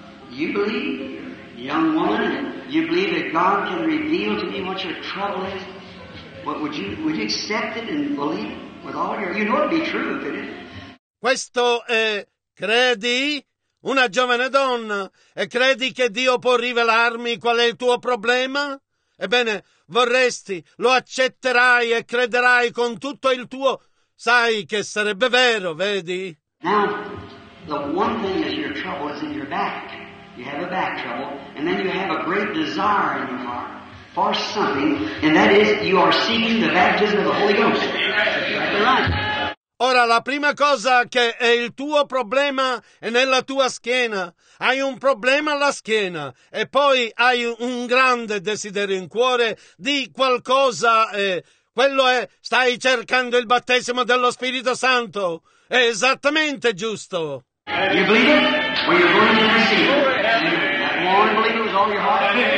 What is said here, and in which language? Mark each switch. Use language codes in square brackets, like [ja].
[en] You believe, young woman, you believe that God can reveal to me what your trouble is? What would you accept it and believe it with all your... You know it'd be true, couldn't it? [it] Questo è, credi, una giovane donna, e credi che Dio può rivelarmi qual è il tuo problema? Ebbene, vorresti, lo accetterai e crederai con tutto il tuo... Sai che sarebbe vero, vedi? [en] Now, the one thing is your trouble is in your back. You have a back trouble, and then you have a great desire in your heart for something, and that is you are seeking the baptism of the Holy Ghost. Right. [it] Ora, la prima cosa che è il tuo problema è nella tua schiena. Hai un problema alla schiena e poi hai un grande desiderio in cuore di qualcosa. Quello è, stai cercando il battesimo dello Spirito Santo. È esattamente giusto. [en] You believe it? Well, you're going to receive it. You want to believe it with all your heart?